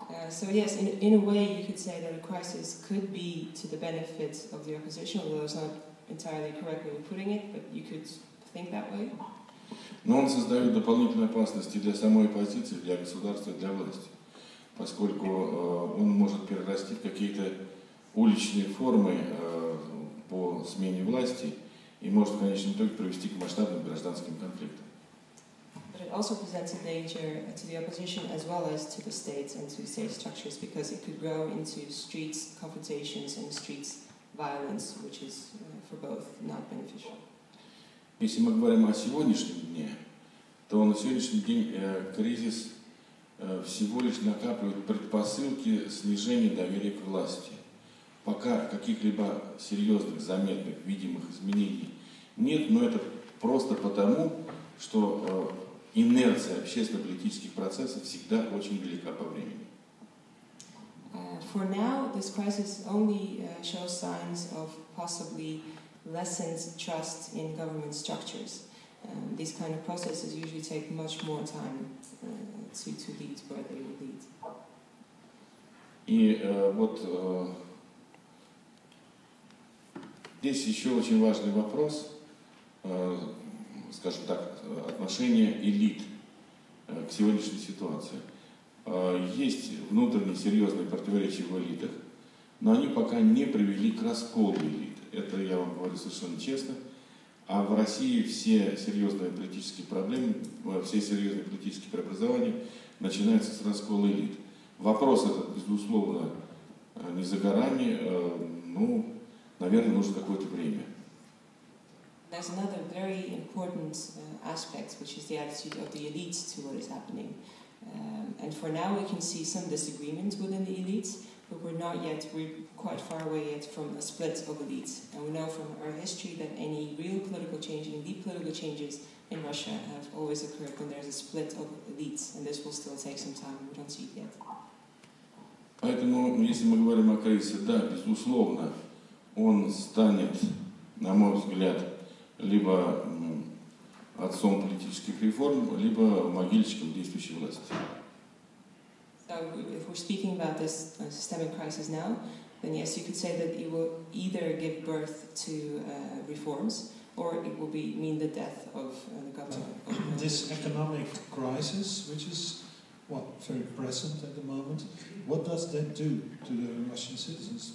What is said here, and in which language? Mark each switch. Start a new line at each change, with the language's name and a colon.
English: so yes, in a way you could say that a crisis could be to the benefit of the opposition, although it's not entirely correct way of putting it, but you could think that way.
Russian: Но он создает дополнительные опасности для самой оппозиции, для государства, для власти, поскольку он может перерасти в какие-то уличные формы по смене власти и может в конечном итоге привести к масштабным гражданским конфликтам.
English: But but it also presents a danger to the opposition as well as to the state and to state structures, because it could grow into streets confrontations and streets violence, which is for both not beneficial.
Russian: Если мы говорим о сегодняшнем дне, то на сегодняшний день кризис всего лишь накапливает предпосылки снижения доверия к власти. Пока каких-либо серьезных, заметных, видимых изменений нет, но это просто потому, что инерция общественно-политических процессов всегда очень велика по времени.
English: For now, this crisis only shows signs of possibly lessened trust in government structures. These kind of processes usually take much more time to lead where they will lead.
Russian: И вот здесь еще очень важный вопрос, скажем так, отношение элит к сегодняшней ситуации. Есть внутренние серьезные противоречия в элитах, но они пока не привели к расколу элит. Это я вам говорю совершенно честно. А в России все серьезные политические проблемы, все серьезные политические преобразования начинаются с раскола элит. Вопрос этот, безусловно, не за горами, ну, наверное, нужно какое-то время.
English: There's another very important aspect, which is the attitude of the elites to what is happening. And for now we can see some disagreements within the elites, but we're quite far away yet from a split of elites. And we know from our history that any real political change, any deep political changes in Russia have always occurred when there's a split of elites, and this will still take some time. We don't see it yet.
Russian: Поэтому, если мы говорим о кризисе, да, безусловно, он станет, на мой взгляд, либо отцом политических реформ, либо могильщиком действующей власти.
English: So, if we're speaking about this systemic crisis now, then yes, you could say that it will either give birth to reforms, or it will mean the death of the government. This economic crisis, which is very present at the moment, what does that do to the Russian citizens?